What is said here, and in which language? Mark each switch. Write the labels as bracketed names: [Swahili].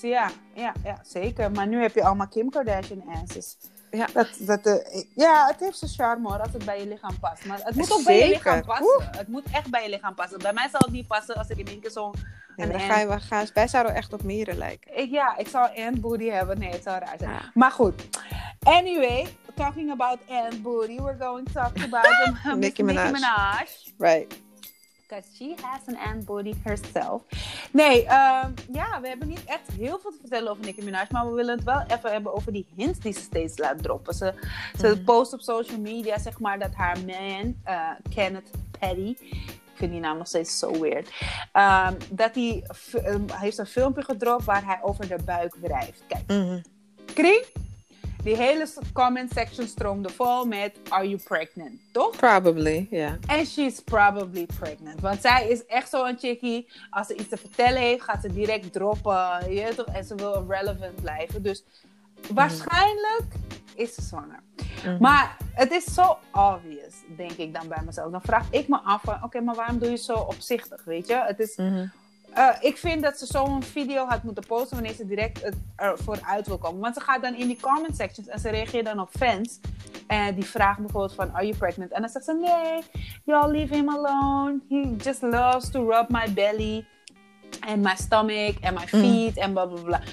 [Dutch] Ja, zeker. Maar nu heb je allemaal Kim Kardashian asses. Ja, het heeft zijn charme hoor, als het bij je lichaam past. Maar het moet ook bij je lichaam passen. Het moet echt bij je lichaam passen. Bij mij zal het niet passen als ik in één keer zo'n... Wij zouden echt op mieren lijken. Ik zou een booty hebben. Nee, het zou raar zijn. Ah. Maar goed. [English] Anyway, talking about Ant Booty, we're going to talk about Nicki Minaj. Right. Because she has an Ant Booty herself. [Dutch] Nee, we hebben niet echt heel veel te vertellen over Nicki Minaj, maar we willen het wel even hebben over die hints die ze steeds laat droppen. Ze post op social media, zeg maar, dat haar man, Kenneth Petty, ik vind die naam nog steeds zo weird, dat hij heeft een filmpje gedropt waar hij over de buik wrijft. Kijk, kring. Die hele comment section stroomde vol met... [English] Are you pregnant? [Dutch] Toch? [English] Probably, ja. Yeah. And she's probably pregnant. [Dutch] Want zij is echt zo'n chickie. Als ze iets te vertellen heeft, gaat ze direct droppen. Je weet toch? En ze wil relevant blijven. Dus waarschijnlijk is ze zwanger. Mm-hmm. Maar het is zo obvious, denk ik dan bij mezelf. Dan vraag ik me af van... Oké, maar waarom doe je zo opzichtig, weet je? Het is... Mm-hmm. Ik vind dat ze zo'n video had moeten posten wanneer ze direct ervoor uit wil komen. Want ze gaat dan in die comment sections en ze reageert dan op fans. En die vragen bijvoorbeeld van, [English] are you pregnant? [Dutch] En dan zegt ze, nee, [English] y'all leave him alone. He just loves to rub my belly and my stomach and my feet and blah, blah, blah.